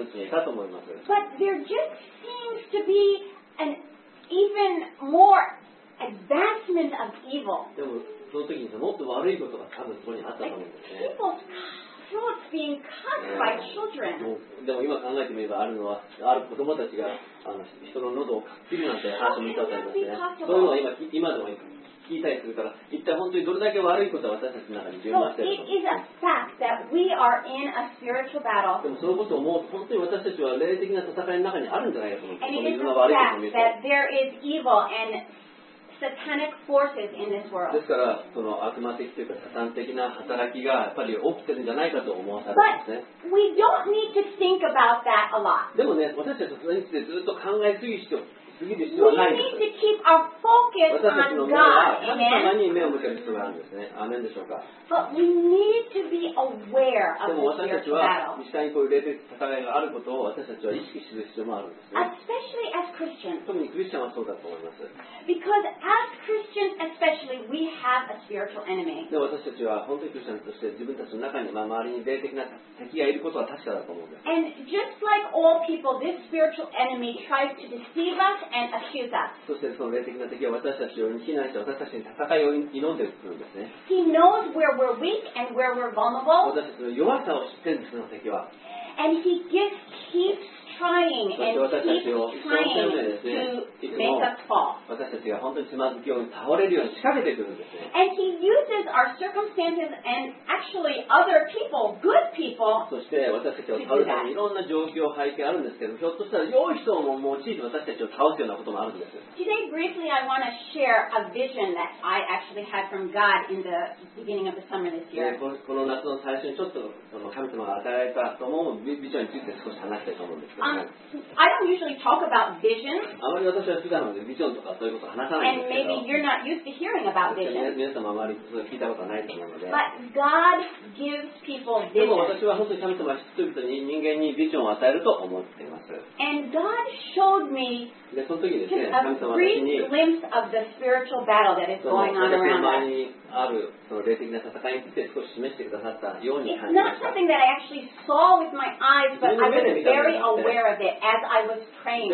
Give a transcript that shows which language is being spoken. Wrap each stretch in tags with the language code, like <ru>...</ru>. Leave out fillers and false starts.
<en>But there just seems to be an even more advancement of evil.</en> <ja>その時にもっと悪いことが多分そこにあったと思うんですね。</ja> <en>People's throats being cut by children.</en> <ja>でも今考えてみればあるのは、ある子供たちが人の喉をかっきりなんて話を見たことありますね。そういうのは今でも聞いたりするから、一体本当にどれだけ悪いことが私たちの中に充満してるのか。</ja> <en>So it is a fact that we are in a spiritual battle.</en> <ja>でもそのことをもう本当に私たちは霊的な戦いの中にあるんじゃないかと思って、この世の悪いことを見ると。</ja> <en>Satanic forces in this world.</en> <ja>ですからその悪魔的というかサタン的な働きがやっぱり起きてるんじゃないかと思わされますね。</ja> <en>But we don't need to think about that a lot.</en> <ja>でもね、私たちはそれについてずっと考えすぎる必要はないんです。</ja> <en>We need to keep our focus on God.</en> <ja>私たちの目は神様に目を向ける必要があるんですね。アメンでしょうか。</ja> <en>But we need to be aware of this spiritual battle.</en> <ja>でも私たちは実際にこういう霊的戦いがあることを私たちは意識する必要もあるんですね。</ja> <en>Especially as Christians.</en> <ja>特にクリスチャンはそうだと思います。</ja> <en>Because as Christians, especially, we have a spiritual enemy.</en> <ja>で私たちは本当にクリスチャンとして自分たちの中に、まあ、周りに霊的な敵がいることは確かだと思うんです。</ja> <en>And just like all people, this spiritual enemy tries to deceive us and accuse us.</en> <ja>そしてその霊的な敵は私たちを非難して私たちに戦いを挑んでくるんですね。</ja> <en>He knows where we're weak and where we're vulnerable.</en> <ja>私たちの弱さを知ってるんです、その敵は。</ja> <en>And he keeps trying and keeps trying to make us fall.</en> <ja>私たちが本当につまずきを倒れるように仕掛けてくるんです。</ja> <en>And he uses our circumstances and actually other people, good people, to do that.</en> <ja>そして私たちを倒すためにいろんな状況背景あるんですけど、ひょっとしたら良い人を用いて私たちを倒すようなこともあるんです。</ja> <en>Today, briefly, I want to share a vision that I actually had from God in the beginning of the summer this year.</en> <ja>この夏の最初にちょっと神様が与えたと思うビジョンについて少し話したいと思うんですけど、</ja> <en>I don't usually talk about visions.</en> <ja>あまり私は普段ビジョンとかそういうことを話さないんですけど、</ja> <en>And maybe you're not used to hearing about visions.</en> <ja>皆様あまりそれ聞いたことはないと思うので、</ja> <en>But God gives people visions.</en> <ja>でも私は本当に神様は人々に人間にビジョンを与えると思っています。</ja> <en>And God showed me</en> <ja>でその時ですね、</ja> <en>a brief glimpse of the spiritual battle that is going on around us.</en> <ja>あるその霊的な戦いについて少し示してくださったように感じました。</ja> <en>It's not something that I actually saw with my eyes, but I was very aware of it as I was praying.</en>